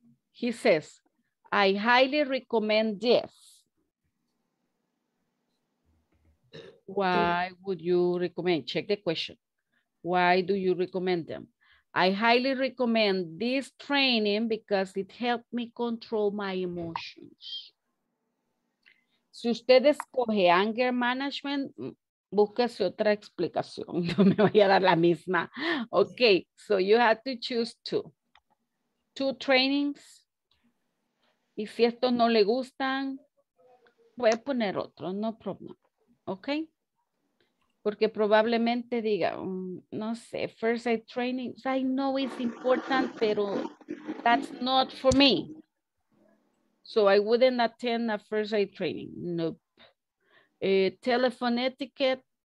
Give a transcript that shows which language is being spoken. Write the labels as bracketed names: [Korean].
[English] He says, I highly recommend this. Why would you recommend? Check the question. Why do you recommend them? I highly recommend this training because it helped me control my emotions. [Spanish] Si usted escoge anger management, búsquese otra explicación. No me voy a dar la misma. [English] Okay, so you have to choose two trainings. [Spanish] Y si estos no le gustan, voy a poner otro, [English] no problem. Okay? [Spanish] Porque probablemente diga, no sé, [English] first aid training, I know it's important, [Spanish] pero [English] that's not for me. So I wouldn't attend a first aid training. Nope. Telephone etiquette.